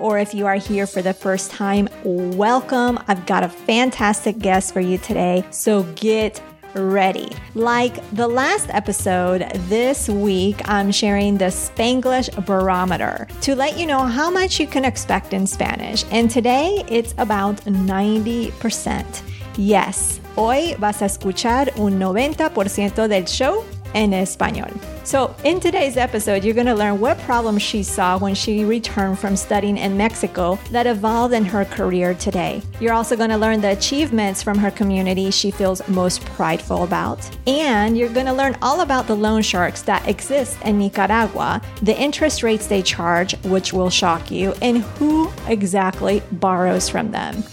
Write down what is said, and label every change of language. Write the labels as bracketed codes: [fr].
[en] Or if you are here for the first time, welcome. I've got a fantastic guest for you today, so get ready. Like the last episode, this week I'm sharing the Spanglish barometer to let you know how much you can expect in Spanish. And today it's about 90%. Yes. [es] Hoy vas a escuchar un 90% del show en español. [en] So in today's episode, you're going to learn what problems she saw when she returned from studying in Mexico that evolved in her career today. You're also going to learn the achievements from her community she feels most prideful about. And you're going to learn all about the loan sharks that exist in Nicaragua, the interest rates they charge, which will shock you, and who exactly borrows from them.